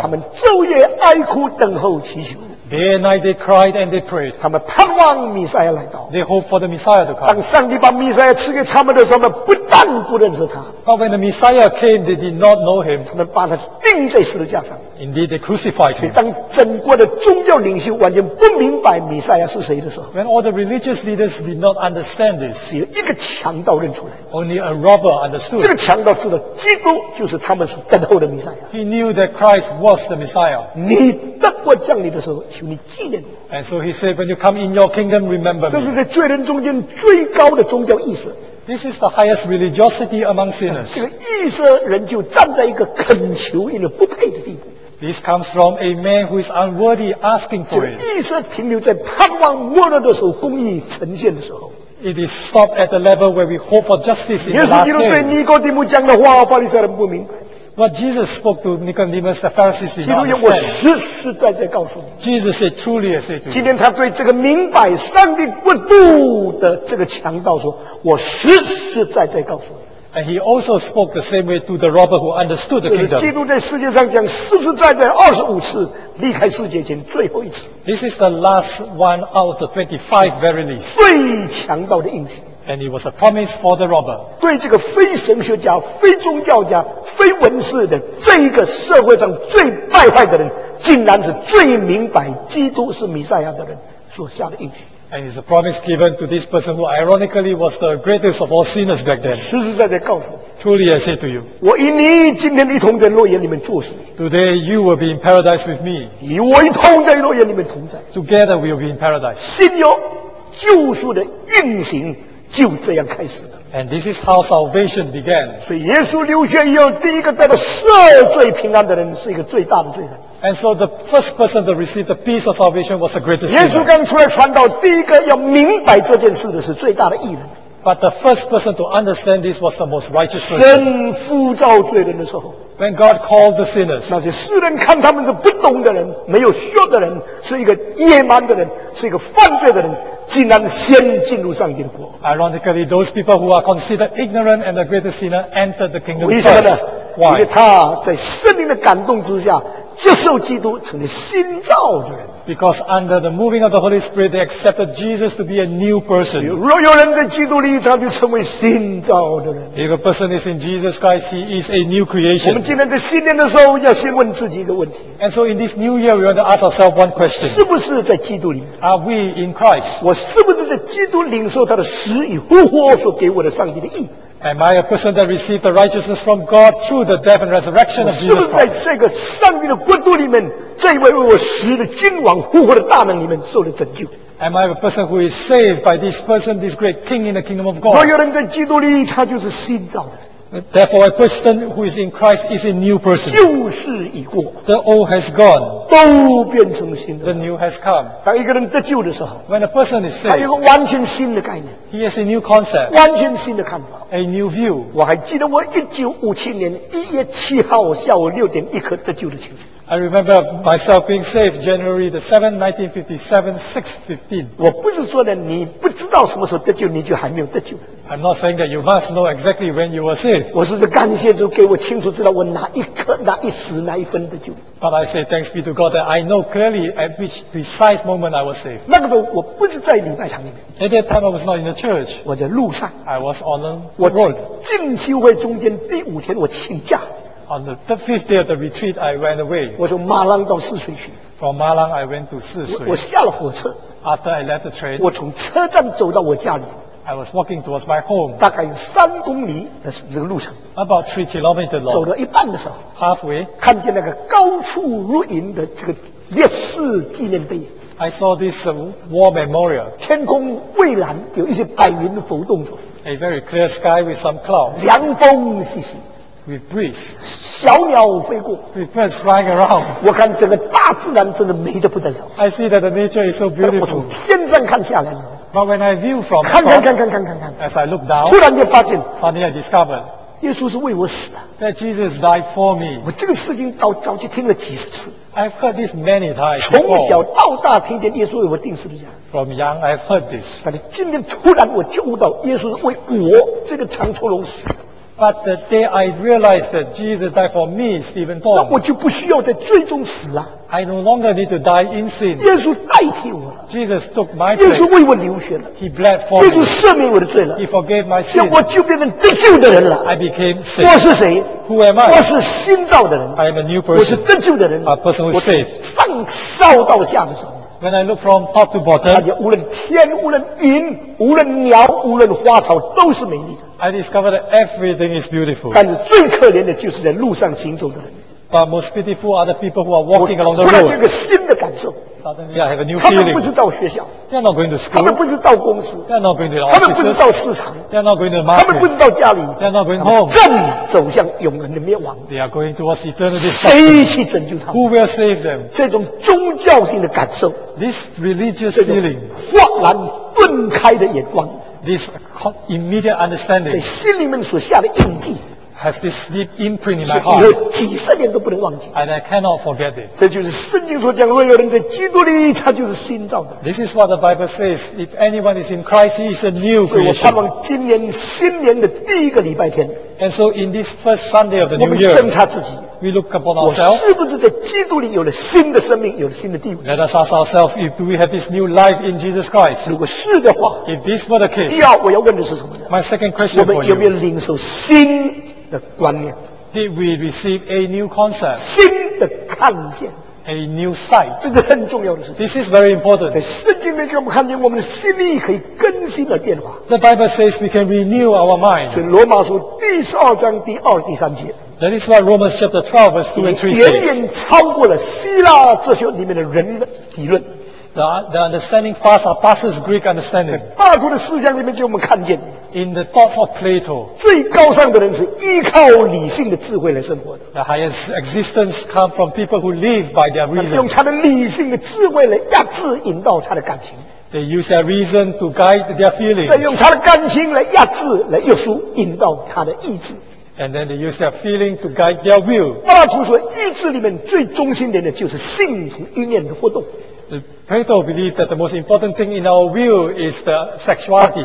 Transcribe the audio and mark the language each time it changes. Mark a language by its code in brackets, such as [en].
[zh] 他们昼夜哀哭等候祈求。 [en] Day and night they cried and they prayed. [zh] 他们盼望弥赛亚来到。 [en] They hope for the Messiah to come. [zh] 当上帝把弥赛亚赐给他们的时候，他们不但不认识他。 [en] But when the Messiah came, they did not know him. [zh] 他们把他钉在十字架上。 [en] Indeed, they crucified him. [zh] 当整个的宗教领袖完全不明白弥赛亚是谁的时候 [en] ，When all the religious leaders did not understand this, [zh] 只有一个强盗认出来。 [en] Only a robber understood. [zh] 这个强盗知道基督就是他们所等候的弥赛亚。 [en] He knew that Christ was the Messiah. [zh] 你德国降临的时候，求你纪念我。 [en] And so he said, "When you come in your kingdom, remember me." [zh] 这是在罪人中间最高的宗教意识。 [en] This is the highest religiosity among sinners. [zh] 这个意识人就站在一个恳求因为不配的地步。 [en] This comes from a man who is unworthy asking for it. [zh] 意识停留在盼望末日的时候，公义呈现的时候。 [en] It is stopped at the level where we hope for justice in the last day. [zh] 耶稣基督对尼哥底母讲的话，法利赛人不明白。 [en] What Jesus spoke to Nicodemus, the Pharisees did not understand. [zh] 我实实在在告诉你。 [en] Jesus said, "Truly, I say to you." [zh] 今天他对这个明白上帝国度的这个强盗说，我实实在在告诉你。 [en] And he also spoke the same way to the robber who understood the kingdom. [zh] 基督在世界上讲实实在在25次，离开世界前最后一次。 [en] This is the last one out of the 25 verily. [zh] 最强盗的应许。 [en] And it was a promise for the robber. [zh] 对这个非神学家、非宗教家、非文士的这一个社会上最败坏的人，竟然是最明白基督是弥赛亚的人所下的应许。 [en] And it's a promise given to this person who ironically was the greatest of all sinners back then. [zh] 实实在在告诉我。 [en] Truly I say to you. [zh] 我与你今天一同在乐园里面住时。 [en] Today you will be in paradise with me. [zh] 与我一同在乐园里面同在。 [en] Together we will be in paradise. [zh] 新约救赎的运行就这样开始了。 [en] And this is how salvation began. [zh] 所以耶稣流血以后第一个带着赦罪平安的人是一个最大的罪人。 [en] And so the first person to receive the peace of salvation was the greatest sinner. [zh] 耶稣刚出来传道，第一个要明白这件事的是最大的义人。 [en] But the first person to understand this was the most righteous person. [zh] 神呼召罪人的时候。 [en] When God called the sinners. [zh] 那些世人看他们是不懂的人，没有学的人，是一个野蛮的人，是一个犯罪的人，竟然先进入上帝的国。 [en] Ironically, those people who are considered ignorant and the greatest sinner entered the kingdom first. [zh] 为什么呢？ [en] Why? [zh] 因为他在圣灵的感动之下接受基督成了新造的人。 [en] Because under the moving of the Holy Spirit, they accepted Jesus to be a new person. [zh] 若有人在基督里，他就成为新造的人。 [en] If a person is in Jesus Christ, he is a new creation. [zh] 我们今天在新年的时候要先问自己一个问题。 [en] And so in this new year, we want to ask ourselves one question. [zh] 是不是在基督里？ [en] Are we in Christ? [zh] 我是不是在基督领受他的死与复活所给我的上帝的义？ [en] Am I a person that received the righteousness from God through the death and resurrection of Jesus Christ? [zh] 是不是在这个上帝的国度里面，这一位为我死的君王复活的大能里面受了拯救？ [en] Am I a person who is saved by this person, this great king in the kingdom of God? [zh] 若有人在基督里，他就是新造的。 [en] Therefore, a person who is in Christ is a new person. [zh] 旧事已过。 [en] The old has gone. [zh] 都变成新的。 [en] The new has come. [zh] 当一个人得救的时候。 [en] When a person is saved. [zh] 他有个完全新的概念。 [en] He has a new concept. [zh] 完全新的看法。 [en] A new view. [zh] 我还记得我1957年1月7号下午6点一刻得救的情形。 [en] I remember myself being saved January the 7th, 1957, 6:15. [zh] 我不是说呢，你不知道什么时候得救，你就还没有得救。 [en] I'm not saying that you must know exactly when you were saved. [zh] 我是在感谢主给我清楚知道我哪一刻、哪一时、哪一分得救。 [en] But I say thanks be to God that I know clearly at which precise moment I was saved. [zh] 那个时候我不是在礼拜堂里面。 [en] At that time I was not in the church. [zh] 我在路上。 [en] I was on the road. [zh] 进修会中间第五天我请假。 [en] On the third, fifth day of the retreat, I went away. [zh] 我从马朗到泗水去。 [en] From Malang, I went to 泗水。 [zh] 我下了火车。 [en] After I left the train. [zh] 我从车站走到我家里。 [en] I was walking towards my home. [zh] 大概有三公里的这个路程。 [en] About 3 kilometers long. [zh] 走到一半的时候。 [en] Halfway. [zh] 看见那个高处如云的这个烈士纪念碑。 [en] I saw this war memorial. [zh] 天空蔚蓝，有一些白云浮动着。 [en] A very clear sky with some clouds. [zh] 凉风习习。 [en] With breeze, [zh] 小鸟飞过。 [en] With birds flying around, [zh] 我看整个大自然真的美得不得了。 [en] I see that the nature is so beautiful. [zh] 我从天上看下来。 [en] But when I view from, [zh] 看， [en] as I look down, [zh] 突然就发现 [en] ，Suddenly I discovered, [zh] 耶稣是为我死的。 [en] That Jesus died for me. [zh] 我这个事情早就听了几十次。 [en] I've heard this many times. [zh] 从小到大听见耶稣为我钉十字架。 [en] From young, I've heard this. [zh] 但是今天突然我就悟到，耶稣是为我这个长头龙死。 [en] But the day I realized that Jesus died for me, Stephen Thorne, [zh] 那我就不需要再最终死了。 [en] I no longer need to die in sin. [zh] 耶稣代替我了。 [en] Jesus took my place. [zh] 耶稣为我流血了。 [en] He bled for [zh] 耶稣赦免我的罪了。 [en] He forgave my sin. [zh] 我就变成得救的人了。 [en] I became saved. [zh] 我是谁？ [en] Who am I? [zh] 我是新造的人。 [en] I am a new person. [zh] 我是得救的人。 [en] A person who is saved. [zh] 上少到下的时候。 [en] When I look from top to bottom, [zh] 看见无论天、无论云、无论鸟、无论花草都是美丽的。 [en] I discovered that everything is beautiful. [zh] 但是最可怜的就是在路上行走的人。 [en] But most pitiful are the people who are walking along the road. [zh] 我突然有个新的感受。 [en] Suddenly, I have a new feeling. [zh] 他们不是到学校。 [en] They're not going to school. [zh] 他们不是到公司。 [en] They're not going to offices. [zh] 他们不是到市场。 [en] They're not going to market. [zh] 他们不是到家里。 [en] They're not going home. [zh] 正走向永恒的灭亡。 [en] They are going towards eternity. [zh] 谁去拯救他们？ [en] Who will save them? [zh] 这种宗教性的感受。 [en] This religious feeling. [zh] 豁然顿开的眼光。 [en] This immediate understanding [zh] 在心里面所下的印记 [en] has this deep imprint in my heart [zh] 是以后几十年都不能忘记 [en] and I cannot forget it [zh] 这就是圣经所讲若有人在基督里他就是新造的 [en] This is what the Bible says If anyone is in Christ he is a new creation [zh] 所以我盼望今年新年的第一个礼拜天 [en] And so in this first Sunday of the new year [zh] 我们审查自己 [en] we look upon ourselves. [zh] 我是不是在基督里有了新的生命，有了新的地位？ [en] Let us ask ourselves, if do we have this new life in Jesus Christ? [zh] 如果是的话， [en] if this were the case, [zh] 第二我要问的是什么呢？ [en] My second question for you. [zh] 我们有没有领受新的观念？ [en] Did we receive a new concept? [zh] 新的看见。 [en] A new sight. [zh] 这个很重要的事。 [en] This is very important. [zh] 在圣经里面，我们看见我们的心意可以更新的变化。 [en] The Bible says we can renew our mind. [zh] 所以罗马书第十二章第二、第三节。 [en] That is why Romans chapter 12 verse 2 and 3 says. [zh] 远远超过了希腊哲学里面的人的理论。 [en] The understanding far surpasses Greek understanding. [zh] 在巴库的思想里面，就我们看见。 [en] In the thoughts of Plato, [zh] 最高尚的人是依靠理性的智慧来生活的。 [en] The highest existence comes from people who live by their reason. [zh] 用他的理性的智慧来压制、引导他的感情。 [en] They use their reason to guide their feelings. [zh] 再用他的感情来压制、来约束、引导他的意志。 [en] And then they use their feeling to guide their will. [zh] 巴库说，意志里面最中心点的就是信徒意念的活动。 [en] Plato believes that the most important thing in our will is the sexuality.